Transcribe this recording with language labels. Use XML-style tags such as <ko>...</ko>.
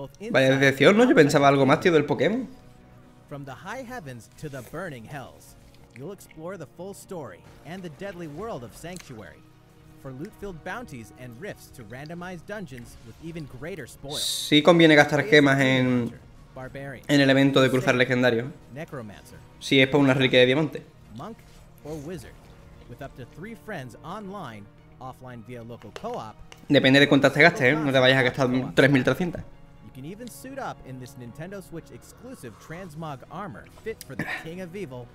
<es>Vaya decepción, ¿no? Yo pensaba algo más, tío, del Pokémon.</es> <en>From the high heavens to the burning hells, you'll explore the full story and the deadly world of Sanctuary. For loot-filled bounties and rifts to randomized dungeons with even greater spoils.</en> <es>Sí conviene gastar gemas en el evento de cruzar legendario. Necromancer. Si es por una reliquia de diamante.</es> <en>Monk or wizard, with up to three friends online, offline via local co-op.</en> <es>Depende de cuántas te gastes, ¿eh? No te vayas a gastar 3300.</es> <en>Can even suit up in this Nintendo Switch exclusive transmog armor fit for the King of Evil.</en>